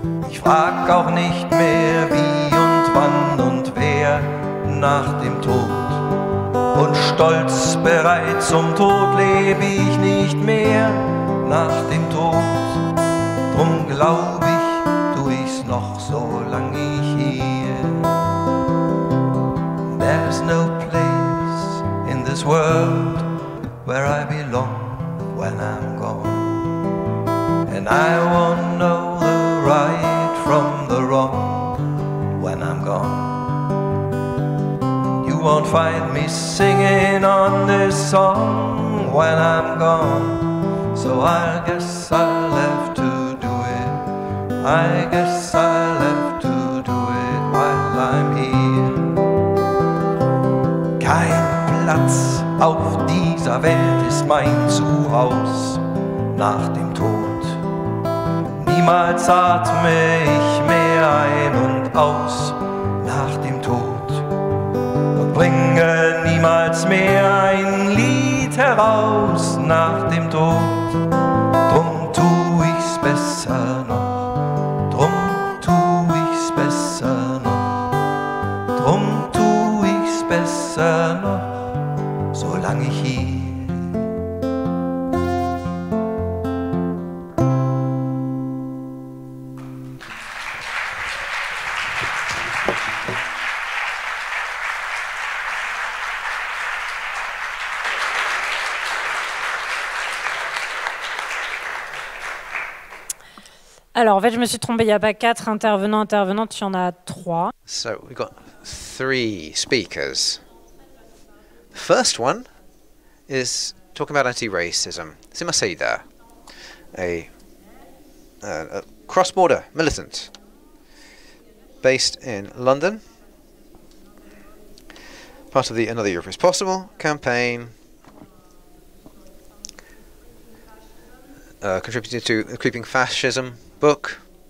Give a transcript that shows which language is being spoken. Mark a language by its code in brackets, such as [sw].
[de] Ich frag auch nicht mehr, wie und wann und wer nach dem Tod. Und stolz bereit zum Tod lebe ich nicht mehr nach dem Tod. Drum glaub ich, tu ich's noch so lang ich hier. [en] There's no place in this world where I belong when I'm gone. And I won't know the right from the wrong when I'm gone. You won't find me singing on this song when I'm gone. So I guess I'll have to do it. I guess I'll have to do it while I'm here. [de] Kein Platz auf dieser Welt ist mein Zuhaus nach dem Tod. Niemals atme ich mehr ein und aus nach dem Tod. Und bringe niemals mehr ein Lied heraus nach dem Tod. Drum tu ich's besser noch. Drum tu ich's besser noch. Drum tu ich's besser noch. Solange ich hier. [fr] Alors, en fait, je me suis trompée. Il n'y a pas quatre intervenants, intervenantes. Il y en a trois. [en] So, we've got three speakers. The first one is talking about anti-racism. Sima Saida, a cross-border militant based in London, part of the Another Europe is Possible campaign, contributed to the Creeping Fascism book.